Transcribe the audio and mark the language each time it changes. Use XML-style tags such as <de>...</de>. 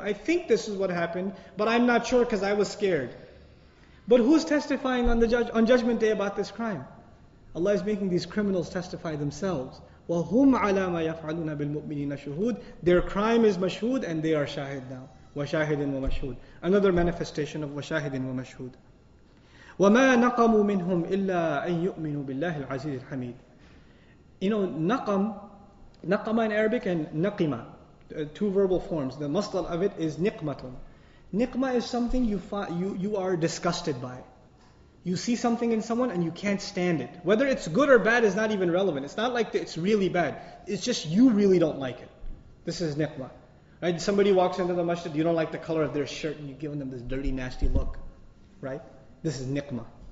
<en>I think this is what happened. But I'm not sure because I was scared. But who's testifying on the on Judgment Day about this crime? Allah is making these criminals testify themselves.</en> <ar>وَهُمْ عَلَى مَا يَفْعَلُونَ بِالْمُؤْمِنِينَ شُهُودٌ</ar> <en>Their crime is mashhood and they are shahid now.</en> <ar>وَشَاهِدٍ وَمَشْهُودٍ</ar> <en>Another manifestation of</en> <ar>وَشَاهِدٍ وَمَشْهُودٍ وَمَا نَقَمُوا مِنْهُمْ إِلَّا أَن يُؤْمِنُوا بِاللَّهِ الْعَزِيزِ الْحَمِيدِ</ar> <en>You know,</en> <ar>نَقَم نَقَمَ</ar> <en>in Arabic and</en> <ar>نَقِمَ</ar> <en>two verbal forms. The مصدر of it is نِقْمَةٌ نِقْمَة is something you are disgusted by. You see something in someone and you can't stand it. Whether it's good or bad is not even relevant. It's not like it's really bad. It's just you really don't like it. This is نِقْمَة. Right? Somebody walks into the masjid, you don't like the color of their shirt and you're giving them this dirty, nasty look. Right? This is نِقْمَة.</en>